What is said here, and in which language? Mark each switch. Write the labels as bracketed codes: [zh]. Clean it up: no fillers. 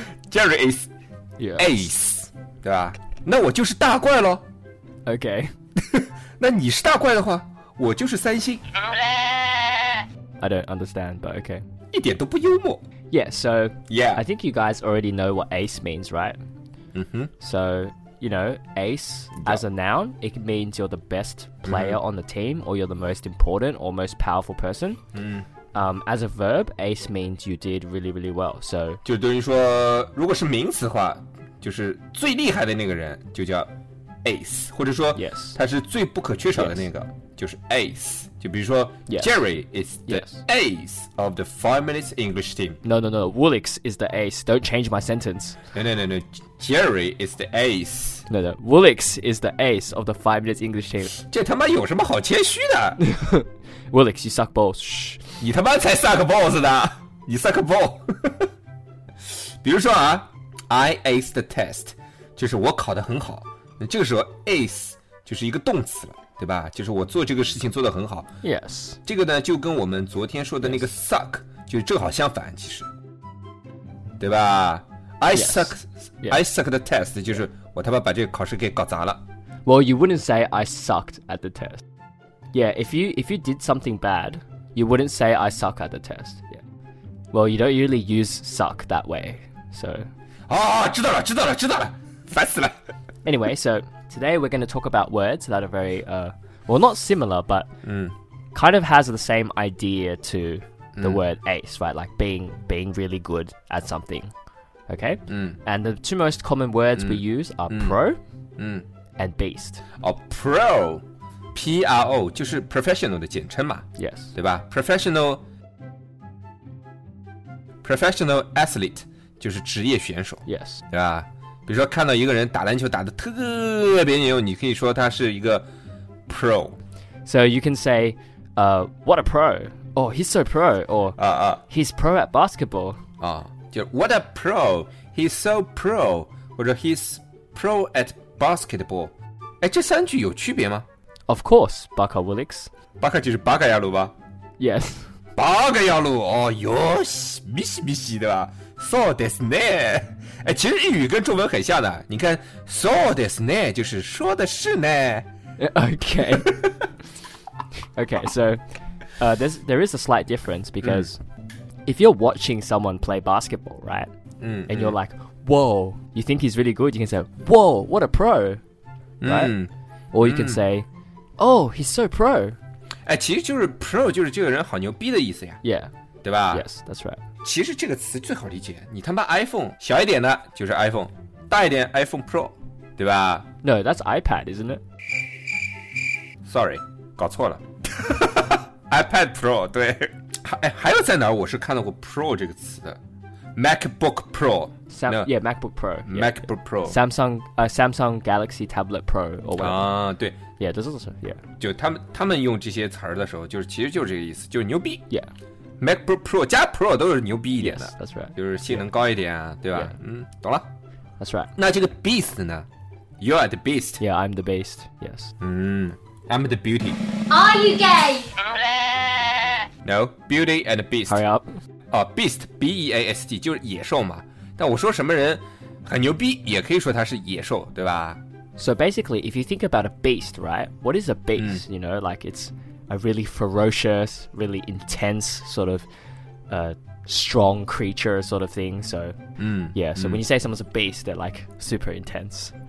[en] Jerry is ace, [zh] 对吧？那我就是大怪咯。 [en] OK. [zh] 那你是大怪的话，我就是三星。 [en] I don't understand, but OK. [zh] 一点都不幽默。 [en] Yeah, so yeah. I think you guys already know what ace means, right? Mm-hmm. So, you know, ace as a noun, it means you're the best player on the team, or you're the most important or most powerful person. Mm-hmm. As a verb, ace means you did really, really well. So, [zh] 就等于说，如果是名词的话，就是最厉害的那个人就叫 ace， 或者说， [en] yes. [zh] 他是最不可缺少的那个， [en] yes. [zh] 就是 ace。就比如说 [en] yes. ，Jerry is the yes. ace of the 5 Minutes English team. No, no, no. Woolix is the ace. Don't change my sentence. No, no, no, no. Jerry is the ace. No, no. Woolix is the ace of the 5 Minutes English team. [zh] 这他妈有什么好谦虚的？ [en] Willix, you suck balls. Shh. [zh] 你他妈才 suck balls 呢！你 suck ball. 比如说啊 ， [en] I aced the test， [zh] 就是我考得很好。那这个时候 ace 就是一个动词了，对吧？就是我做这个事情做得很好。 [en] Yes. [zh] 这个呢，就跟我们昨天说的那个 suck、yes. 就正好相反，其实，对吧 ？I [en] yes. suck. Yes. I suck the test， [zh] 就是我他妈把这个考试给搞砸了。 [en] Well, you wouldn't say I sucked at the test. Yeah, if you did something bad, you wouldn't say I suck at the test. Yeah. Well, you don't really use suck that way, so... [zh] Oh, 知道了知道了知道了烦死了 [en] Anyway, so today we're going to talk about words that are very, well, not similar, but、kind of has the same idea to the word ace, right? Like being really good at something, okay?、And the two most common words we use are pro and beast. Oh, pro... [zh] P-R-O 就是 professional 的简称嘛 [en] Yes [zh] 对吧 [en] Professional athlete [zh] 就是职业选手 [en] Yes [zh] 对吧比如说看到一个人打篮球打得特别牛你可以说他是一个 pro [en] So you can say、What a pro Oh he's so pro Or he's pro at basketball、 [zh] 就 [en] What a pro He's so pro [zh] 或者 [en] he's pro at basketball [zh] 哎，这三句有区别吗 [en] Of course, Baka Willix. [zh] Baka 就是巴嘎亚路吧 [en] Yes. [zh] Baka 亚路哦哟西咪西咪西对吧 [ja] So ですね [zh] 其实日语跟中文很像的你看 So ですね就是说的是呢 [en] Okay. Okay, so、there is a slight difference because、if you're watching someone play basketball, right?、and you're like, whoa, you think he's really good, you can say, whoa, what a pro, right?、Or you can say,Oh, he's so pro. [zh] 哎，其实就是 pro， 就是这个人好牛逼的意思呀。 [en] Yeah， [zh] 对吧 [en] ？Yes, that's right. [zh] 其实这个词最好理解。你他妈 iPhone 小一点的，就是 iPhone； 大一点 iPhone Pro， 对吧 [en] ？No, that's iPad, isn't it? Sorry， [zh] 搞错了。iPad Pro， 对。还有在哪儿？我是看到过 pro 这个词的。 [en] MacBook Pro. MacBook Pro. MacBook Pro. Samsung Galaxy Tablet Pro or whatever. [zh] 啊，对。 [en] Yeah, this is also, yeah. [zh] 就他们用这些词儿的时候，就是其实就是这个意思，就是牛逼。 [en] Yeah. [zh] MacBook Pro 加 Pro 都是牛逼一点的。 [en] Yes, that's right. [zh] 就是性能高一点啊，对吧？ [en] Yeah. [zh] 嗯，懂了。 [en] That's right. [zh] 那这个 Beast 呢？ [en] You are the Beast. Yeah, I'm the Beast. Yes. [zh] 嗯 ， [en] I'm the Beauty. Are you gay? No, Beauty and Beast. Hurry up. [zh] 哦 ，Beast, B-E-A-S-T 就是野兽嘛。但我说什么人很牛逼，也可以说他是野兽，对吧 [en] ？So basically, if you think about a beast, right? What is a beast?、Mm. You know, like it's a really ferocious, really intense sort of strong creature sort of thing. So,、 mm. yeah. So、mm. when you say someone's a beast, they're like super intense.